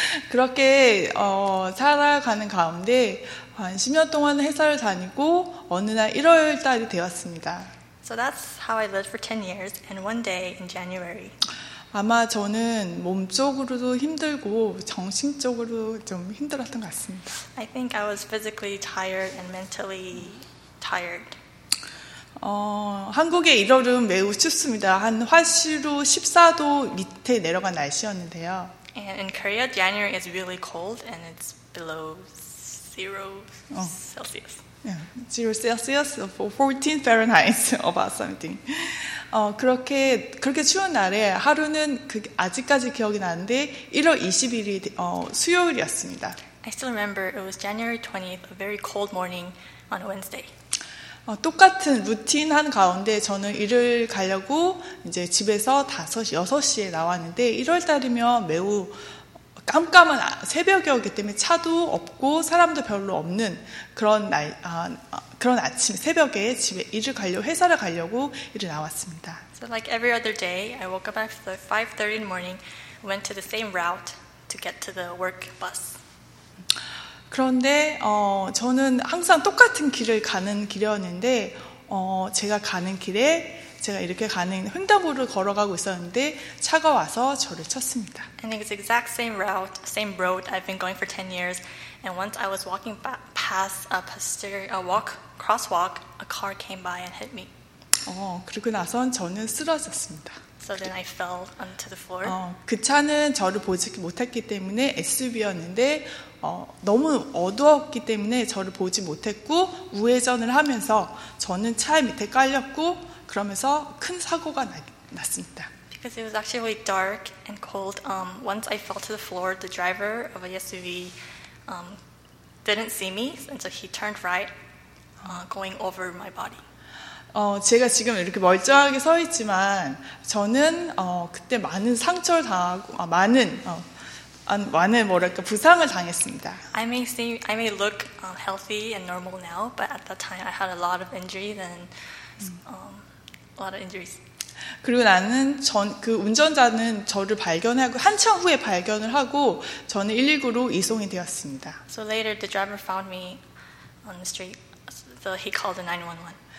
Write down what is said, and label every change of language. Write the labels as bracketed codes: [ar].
[ko] 그렇게 살아가는 가운데 한 10년 동안 회사를 다니고 어느 날 일요일 달이 되었습니다. [en] So that's how I lived for 10 years and one day in January. [ko] 아마 저는 몸적으로도 힘들고 정신적으로 좀 힘들었던 것 같습니다. [en] I think I was physically tired and mentally tired. [ko] 한국의 1월은 매우 춥습니다. 한 화씨로 14도 밑에 내려간 날씨였는데요. [en] And in Korea, January is really cold and it's below zero Celsius. Yeah, zero Celsius, 14 Fahrenheit, about something. [ko] 그렇게 추운 날에 하루는 아직까지 기억이 나는데 1월 20일이 수요일이었습니다. [en] I still remember it was January 20th, a very cold morning on a Wednesday. [ko] 똑같은 루틴 한 가운데 저는 일을 가려고 이제 집에서 6시에 나왔는데 1월 달이면 매우 깜깜한 새벽이었기 때문에 차도 없고 사람도 별로 없는 그런 아침 새벽에 집에 일을 가려고 회사를 가려고 일을 나왔습니다. [en] So like every other day, I woke up at 5:30 in the morning, went to the same route to get to the work bus. [ko] 그런데 저는 항상 똑같은 길을 가는 길이었는데 제가 가는 길에 제가 이렇게 가는 횡단보도를 걸어가고 있었는데 차가 와서 저를 쳤습니다. [en] And it's exact same route, same road I've been going for 10 years. And once I was walking past a crosswalk, a car came by and hit me. [ko] 그리고 나선 저는 쓰러졌습니다. [en] So then I fell onto the floor. [ko] 그 차는 저를 보지 못했기 때문에 SUV였는데 너무 어두웠기 때문에 저를 보지 못했고 우회전을 하면서 저는 차 밑에 깔렸고 그러면서 큰 사고가 났습니다. [en] Because it was actually dark and cold, once I fell to the floor, the driver of a SUV didn't see me, and so he turned right, going over my body. [ko] 제가 지금 이렇게 멀쩡하게 서 있지만 저는 그때 많은 상처를 당하고 많은 뭐랄까 부상을 당했습니다. [en] I may look healthy and normal now, but at that time I had a lot of injuries and a lot of injuries. [ko] 그리고 나는 그 운전자는 저를 발견하고 한참 후에 발견을 하고 저는 119로 이송이 되었습니다. [en] So later the driver found me on the street, so he called the 911.